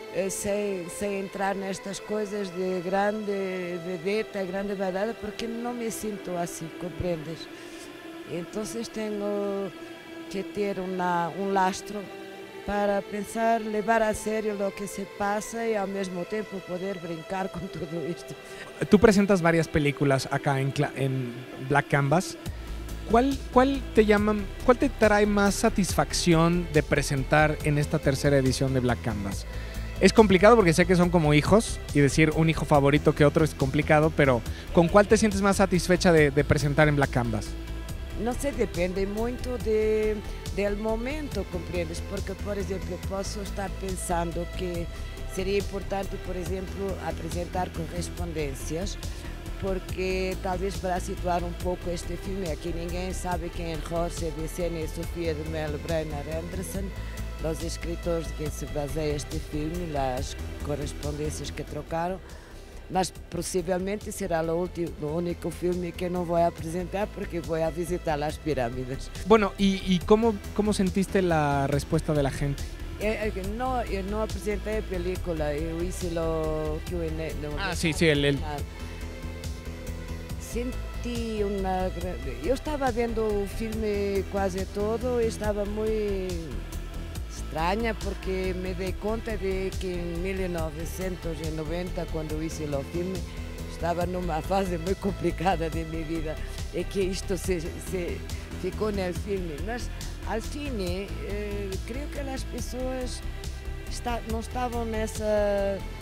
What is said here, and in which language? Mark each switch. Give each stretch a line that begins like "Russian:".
Portuguese: Sem entrar nestas coisas de grande vedeta, grande verdade, porque não me sinto assim, compreendes? Então tenho que ter um lastro para pensar, levar a sério o que se passa e ao mesmo tempo poder brincar com tudo isto. Tu apresentas várias películas acá em Black Canvas.
Spanish: ¿Cuál te trae más satisfacción de presentar en esta tercera edición de Black Canvas? Es complicado porque sé que son como hijos y decir un hijo favorito que otro es complicado, pero ¿con cuál te sientes más satisfecha de presentar en Black Canvas? No sé, depende mucho del momento, ¿comprendes? Porque, por ejemplo, puedo estar pensando que sería importante, por ejemplo, presentar correspondencias,
Portuguese: porque talvez para situar um pouco este filme, aqui ninguém sabe quem é Jorge de Sena e Sofia de Melo Brenner Anderson, os escritores de quem se baseia este filme, as correspondências que trocaram, mas possivelmente será o único filme que não vou apresentar porque vou a visitar as pirâmides. Bueno, e como sentiste a resposta da gente? Eu não apresentei a película, eu hice o Q&A. Senti uma grande... Eu estava vendo o filme quase todo e estava muito
Spanish: extraña porque me di cuenta de que en 1990, cuando hice el filme, estaba en una fase muy complicada de mi vida y que esto se quedó en el filme. Pero al cine, creo que las personas no estaban en esa...